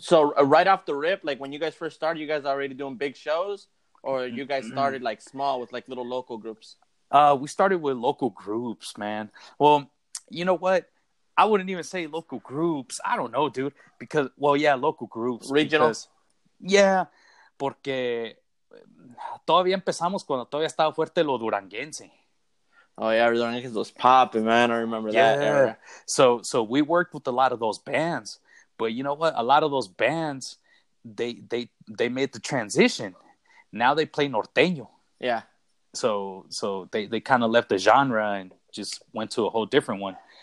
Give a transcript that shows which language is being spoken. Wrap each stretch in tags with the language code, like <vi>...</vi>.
<en>so right off the rip, like when you guys first started, you guys already doing big shows, or you guys started like small with like little local groups? We started with local groups, man. Well, you know what? I wouldn't even say local groups. I don't know, dude. Because, well, yeah, local groups. Regional? Yeah.</en> <es>Porque todavía empezamos cuando todavía estaba fuerte lo duranguense.</es> <en>Oh, yeah. Duranguense was popping, man. I remember that era. So we worked with a lot of those bands. But you know what? A lot of those bands, they made the transition. Now they play norteño. Yeah. So they kind of left the genre and just went to a whole different one.</en>